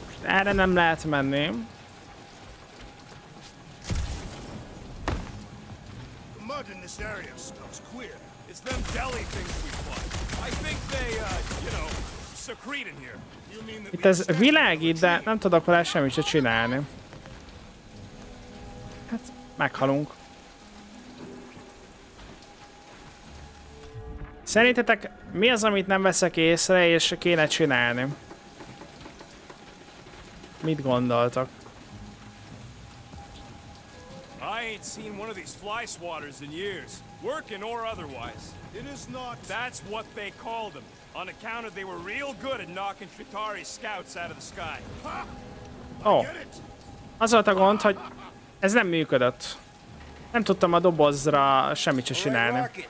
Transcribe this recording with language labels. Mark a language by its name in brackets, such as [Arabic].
[Hungarian] Erre nem lehet menni. [English] The mud in this area smells queer. It's them deli things we fought. I think they, you know, secrete in here. You mean the... [Hungarian] Itt ez világít, de nem tudok vele semmit se csinálni. Hát, meghalunk. Szerintetek mi az, amit nem veszek észre és kéne csinálni? Mit gondoltak? [English] I ain't seen one of these fly swatters in years, working or otherwise. It is not. That's what they called them, on account of they were real good at knocking Chitauri scouts out of the sky. [Hungarian] Oh, az volt a gond, hogy ez nem működött. Nem tudtam a dobozra semmit se csinálni.